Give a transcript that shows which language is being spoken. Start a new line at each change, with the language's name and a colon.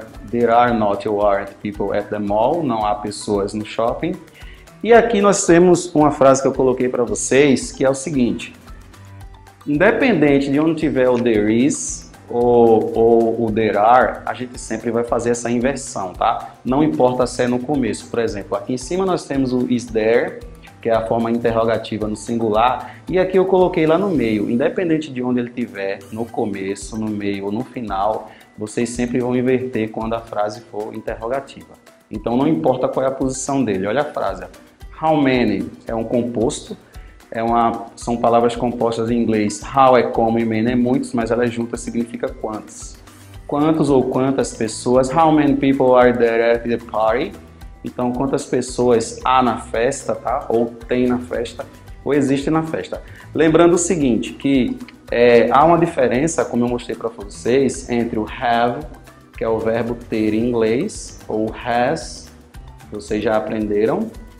Portuguese: There are not ou aren't people at the mall. Não há pessoas no shopping. E aqui nós temos uma frase que eu coloquei para vocês, que é o seguinte: independente de onde tiver o there is ou o there are, a gente sempre vai fazer essa inversão, tá? Não importa se é no começo. Por exemplo, aqui em cima nós temos o is there, que é a forma interrogativa no singular, e aqui eu coloquei lá no meio. Independente de onde ele tiver, no começo, no meio ou no final, vocês sempre vão inverter quando a frase for interrogativa. Então não importa qual é a posição dele. Olha a frase. How many é um composto, são palavras compostas em inglês. How é como e many é muitos, mas ela junta significa quantos. Quantos ou quantas pessoas?
English: How many people are there at the party?
Portuguese: Então, quantas pessoas há na festa, tá? Ou tem na festa, ou existe na festa. Lembrando o seguinte, que há uma diferença, como eu mostrei para vocês, entre o have, que é o verbo ter em inglês, ou has, vocês já aprenderam.